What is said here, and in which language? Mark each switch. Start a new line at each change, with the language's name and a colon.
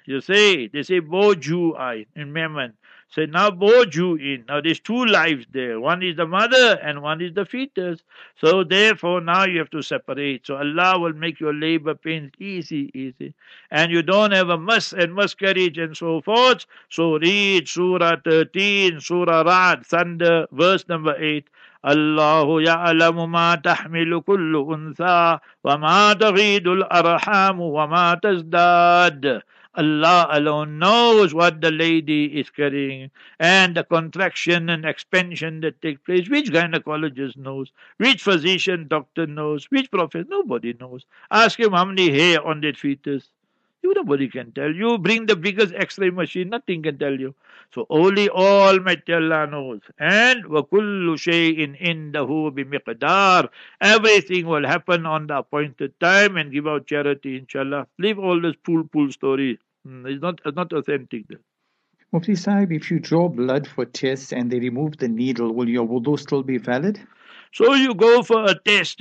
English: You see, they say Boju'ai in Yemen. Say now Boju'in. Now there's two lives there. One is the mother and one is the fetus. So therefore now you have to separate. So Allah will make your labor pains easy. And you don't have a mus and miscarriage and so forth. So read Surah 13, Surah Ra'd, Thunder, verse number 8.
Arabic: الله يعلم ما تحمل كل أنثى وما تغيد الأرحام وما تزداد.
English: Allah alone knows what the lady is carrying and the contraction and expansion that take place. Which gynecologist knows? Which physician doctor knows? Which prophet? Nobody knows. Ask him how many hair on that fetus. Nobody can tell you. Bring the biggest x-ray machine, nothing can tell you. So only Almighty Allah knows.
Arabic: And وَكُلُّ شَيْءٍ إِنْدَهُ بِمِقْدَارِ.
English: Everything will happen on the appointed time and give out charity, inshallah. Leave all this pool story. It's not authentic. Mufti Sahib, if you draw blood for tests and they remove the needle, will your wudu still be valid? So you go for a test.